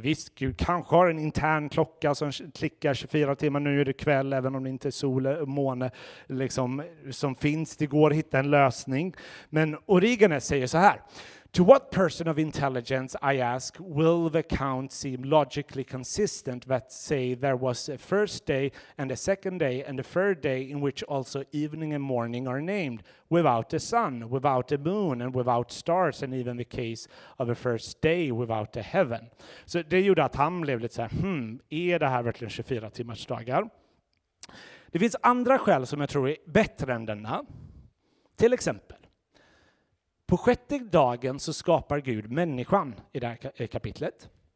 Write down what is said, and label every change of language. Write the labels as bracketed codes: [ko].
[sv] Visst, Gud kanske har en intern klocka som klickar 24 timmar. Nu är det kväll även om det inte är sol och måne som finns. Det går att hitta en lösning. [en] Men Origenes säger så här: to what person of intelligence, I ask, will the account seem logically consistent that say there was a first day and a second day and a third day in which also evening and morning are named, without the sun, without the moon and without stars and even the case of a first day without the heaven. [sv] Så det gjorde att han blev lite så här, är det här verkligen 24 timmars dagar? Det finns andra skäl som jag tror är bättre än denna. Till exempel. På sjätte dagen så skapar Gud människan i det här kapitlet.